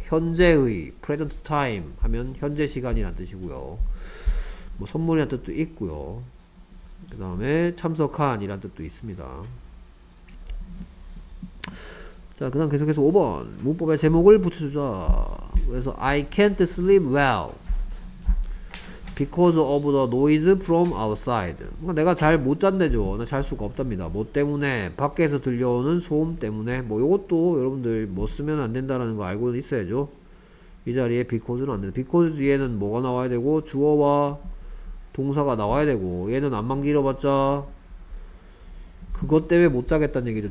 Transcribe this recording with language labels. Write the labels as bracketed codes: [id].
[ko] 현재의 프레젠트 타임 하면 현재 시간이란 뜻이고요. 뭐 선물이란 뜻도 있고요. 그 다음에 참석한 이란 뜻도 있습니다. 자, 그 다음 계속해서 5번. 문법에 제목을 붙여주자. 그래서 [en] I can't sleep well because of the noise from outside. [ko] 그러니까 내가 잘 못 잔대죠. 나 잘 수가 없답니다. 뭐 때문에? 밖에서 들려오는 소음 때문에? 뭐 이것도 여러분들 뭐 쓰면 안 된다는 거 알고 있어야죠. 이 자리에 because는 안 된다. because 뒤에는 뭐가 나와야 되고, 주어와 동사가 나와야 되고, 얘는 안만 길어봤자 그것 때문에 못 자겠다는 얘기죠.